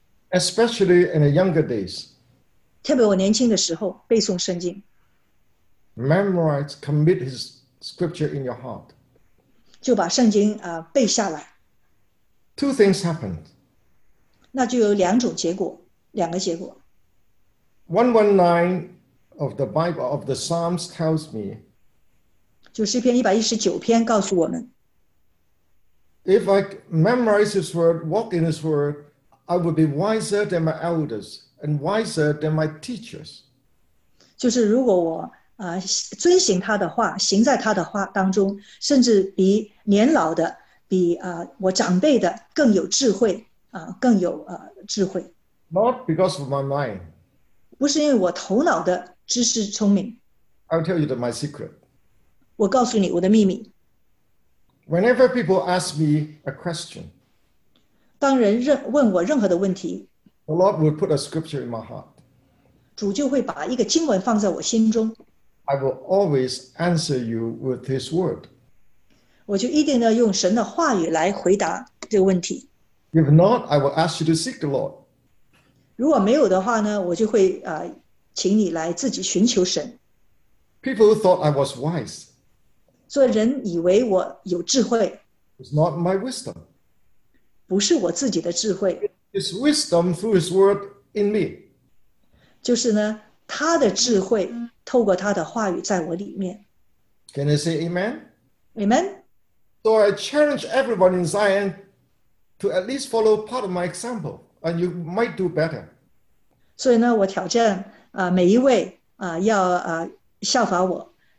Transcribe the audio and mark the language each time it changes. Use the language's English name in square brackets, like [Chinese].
[English] Especially in the younger days. [Chinese] 特别我年轻的时候背诵圣经。 [English] Memorize, commit his scripture in your heart. [Chinese] 就把圣经背下来。 [English] Two things happened. [Chinese] 那就有两种结果，两个结果。 [English] 119 of the Bible, of the Psalms tells me, [Chinese] 就诗篇119篇告诉我们 [English] If I memorize his word, walk in his word, I would be wiser than my elders and wiser than my teachers. [Chinese] 就是如果我遵行他的话，行在他的话当中，甚至比年老的，比我长辈的更有智慧，更有智慧。 [English] Not because of my mind. [Chinese] 不是因为我头脑的知识聪明。 [English] I'll tell you my secret. [Chinese] 我告诉你我的秘密。 [English] Whenever people ask me a question, [Chinese] 当人问我任何的问题， [English] the Lord will put a scripture in my heart. [Chinese] 主就会把一个经文放在我心中。 [English] I will always answer you with his word. [Chinese] 我就一定要用神的话语来回答这个问题。 [English] If not, I will ask you to seek the Lord. [Chinese] 如果没有的话呢，我就会请你来自己寻求神。 [English] People thought I was wise. [Chinese] 所以人以为我有智慧。 [English] It's not my wisdom. [Chinese] 不是我自己的智慧。 [English] It's wisdom through his word in me. [Chinese] 就是呢，他的智慧透过他的话语在我里面。 [English] Can I say amen? Amen. So I challenge everyone in Zion to at least follow part of my example, and you might do better. [Chinese] 所以呢，我挑战每一位要效法我。